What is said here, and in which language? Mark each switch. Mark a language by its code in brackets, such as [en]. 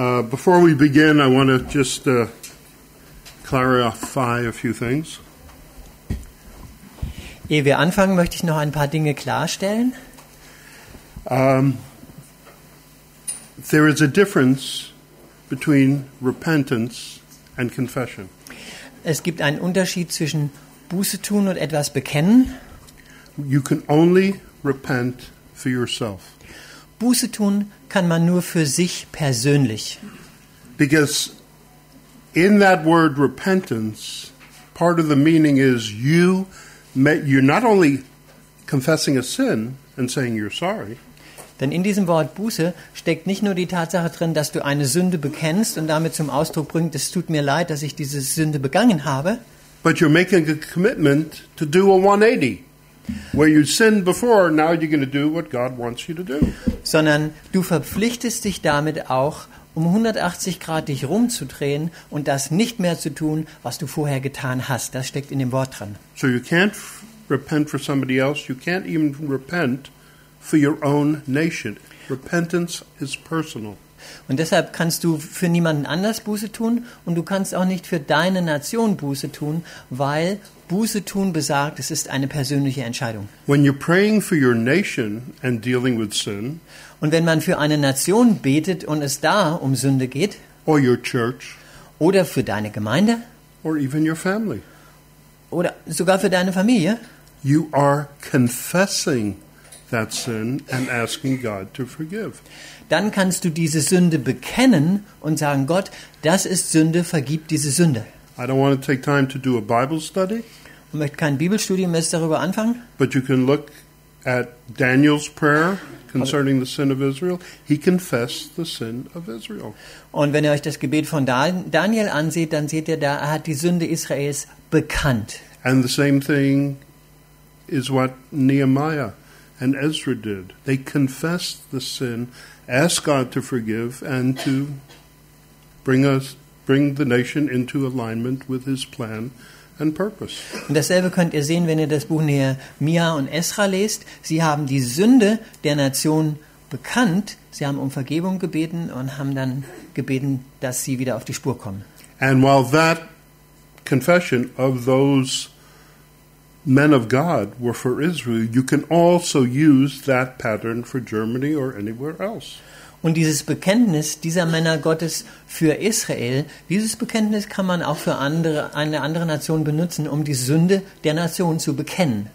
[en] Before we begin, I want to just clarify a few things. [de] Ehe wir anfangen, möchte ich noch ein paar Dinge klarstellen. [en] There is a difference between repentance and confession. [de] Es gibt einen Unterschied zwischen Buße tun und etwas bekennen. [en] You can only repent for yourself. [de] Buße tun kann man nur für sich persönlich. [en] Because in that word repentance, part of the meaning is you're not only confessing a sin and saying you're sorry. [de] Denn in diesem Wort Buße steckt nicht nur die Tatsache drin, dass du eine Sünde bekennst und damit zum Ausdruck bringst, es tut mir leid, dass ich diese Sünde begangen habe. [en] But you're making a commitment to do a 180. Where you sinned before, now you're going to do what God wants you to do. [de] Sondern du verpflichtest dich damit auch, um 180 Grad dich rumzudrehen und das nicht mehr zu tun, was du vorher getan hast. Das steckt in dem Wort drin. [en] So you can't repent for somebody else. You can't even repent for your own nation. Repentance is personal. [de] Und deshalb kannst du für niemanden anders Buße tun und du kannst auch nicht für deine Nation Buße tun, weil Buße tun besagt, es ist eine persönliche Entscheidung. [en] When you're praying for your nation and dealing with sin, [de] und wenn man für eine Nation betet und es da um Sünde geht, [en] or your church, [de] oder für deine Gemeinde, [en] or even your family, [de] oder sogar für deine Familie, [en] you are confessing that sin and asking God to forgive. [de] Dann kannst du diese Sünde bekennen und sagen, Gott, das ist Sünde, vergib diese Sünde. [en] I don't want to take time to do a Bible study. [de] Ich möchte kein Bibelstudium jetzt darüber anfangen. [en] But you can look at Daniel's prayer concerning the sin of Israel. He confessed the sin of Israel. [de] Und wenn ihr euch das Gebet von Daniel ansieht, dann seht ihr da, er hat die Sünde Israels bekannt. [en] And the same thing is what Nehemiah and Ezra did. They confessed the sin, asked God to forgive and to bring the nation into alignment with his plan and purpose. [de] Und dasselbe könnt ihr sehen, wenn ihr das Buch Nehemiah und Ezra lest. Sie haben die Sünde der Nation bekannt, sie haben um Vergebung gebeten und haben dann gebeten, dass sie wieder auf die Spur kommen. [en] And while that confession of those men of God were for Israel, you can also use that pattern for Germany or anywhere else. [de] Und dieses Bekenntnis dieser Männer Gottes für Israel, dieses Bekenntnis kann man auch für eine andere Nation benutzen, um die Sünde der Nation zu bekennen.